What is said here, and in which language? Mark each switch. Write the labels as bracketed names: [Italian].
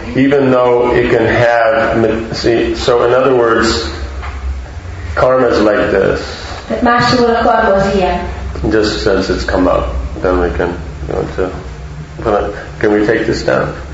[English] even though it can have, see, so in other words, karma is like this. [Hungarian] Tehát más szóval a karma az ilyen. [English] Just since it's come up, then we can go to, can we take this down?